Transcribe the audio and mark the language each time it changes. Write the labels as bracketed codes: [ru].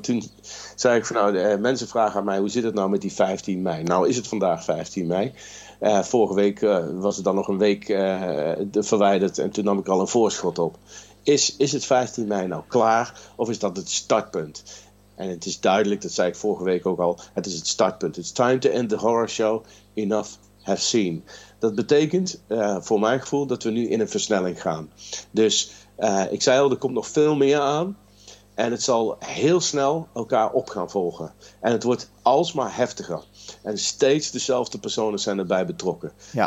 [nl] Toen zei ik van nou, mensen vragen aan mij, hoe zit het nou met die 15 mei? Nou is het vandaag 15 mei. Vorige week was het dan nog een week verwijderd en toen nam ik al een voorschot op. Is het 15 mei nou klaar of is dat het startpunt? En het is duidelijk, dat zei ik vorige week ook al, het is het startpunt. [en] It's time to end the horror show, enough have seen. [nl] Dat betekent, voor mijn gevoel, dat we nu in een versnelling gaan. Dus ik zei al, er komt nog veel meer aan. En het zal heel snel elkaar op gaan volgen. En het wordt alsmaar heftiger. En steeds dezelfde personen zijn erbij betrokken. Ja.